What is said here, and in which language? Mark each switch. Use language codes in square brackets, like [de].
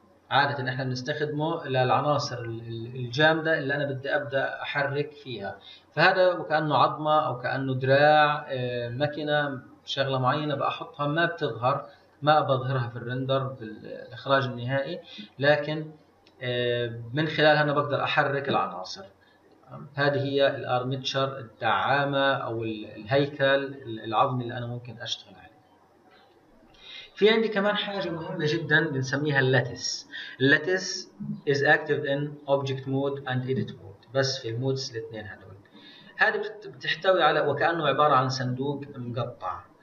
[ar] عادة احنا بنستخدمه للعناصر الجامدة اللي انا بدي ابدأ احرك فيها، فهذا وكأنه عظمة او كأنه دراع، مكنة، شغلة معينة بأحطها ما بتظهر، ما بظهرها في الرندر في الاخراج النهائي، لكن من خلالها انا بقدر احرك العناصر. هذه هي الارميتشر، الدعامة او الهيكل العظمي اللي انا ممكن اشتغل عليه. في عندي كمان حاجة مهمة جدا بنسميها اللاتس. [en] اللاتس is active in object mode and edit mode، [ar] بس في المودز الاثنين هذول. هذه بتحتوي على وكأنه عبارة عن صندوق مقطع.